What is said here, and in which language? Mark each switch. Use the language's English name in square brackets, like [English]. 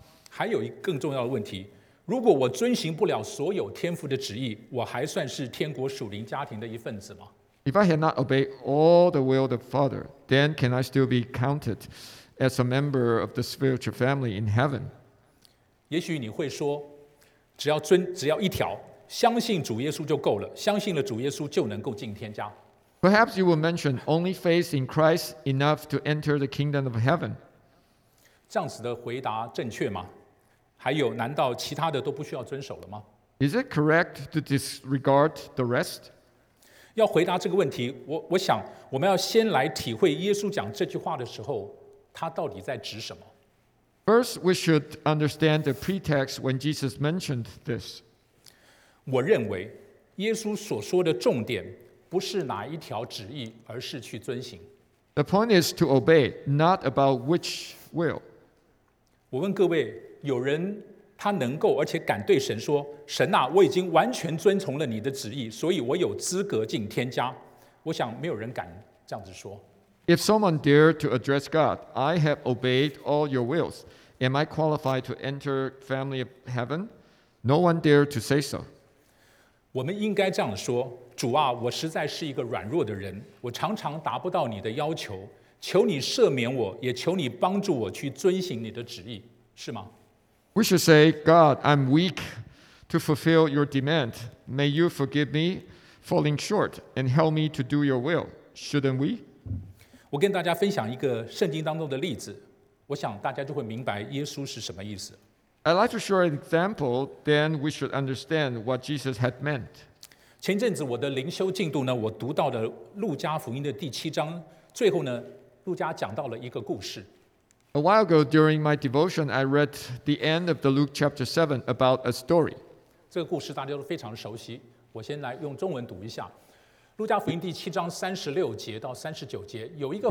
[Chinese] 还有一个更重要的问题，如果我遵行不了所有天父的旨意，我还算是天国属灵家庭的一份子吗？ [English] If I had not obeyed all the will of the Father, then can I still be counted as a member of the spiritual family in heaven? [Chinese] 也许你会说，只要一条，相信主耶稣就够了，相信了主耶稣就能够进天家。 [English] Perhaps you will mention only faith in Christ enough to enter the kingdom of heaven. [Chinese] 这样子的回答正确吗？还有，难道其他的都不需要遵守了吗？ [English] Is it correct to disregard the rest? [Chinese] 要回答这个问题， 我想我们要先来体会耶稣讲这句话的时候，他到底在指什么。 [English] First, we should understand the pretext when Jesus mentioned this. [Chinese] 我认为耶稣所说的重点不是哪一条旨意，而是去遵行。 [English] The point is to obey, not about which will. [Chinese] 我问各位，有人他能够而且敢对神说，神啊，我已经完全遵从了你的旨意，所以我有资格进天家。我想没有人敢这样子说。 [English] If someone dared to address God, I have obeyed all your wills. Am I qualified to enter family of heaven? No one dared to say so. [Chinese] 我们应该这样说，主啊，我实在是一个软弱的人，我常常达不到你的要求，求你赦免我，也求你帮助我去遵行你的旨意，是吗？ [English] We should say, God, I'm weak to fulfill your demand. May you forgive me falling short and help me to do your will. Shouldn't we? [Chinese] 我跟大家分享一个圣经当中的例子，我想大家就会明白耶稣是什么意思。 [English] I'd like to share an example, then we should understand what Jesus had meant. [Chinese] 前阵子我的灵修进度呢，我读到了路加福音的第七章，最后呢，路加讲到了一个故事。 [English] A while ago, during my devotion, I read the end of the Luke chapter 7 about a story. [Chinese] 这个故事大家都非常熟悉，我先来用中文读一下。路加福音第七章三十六节到三十九节，有一个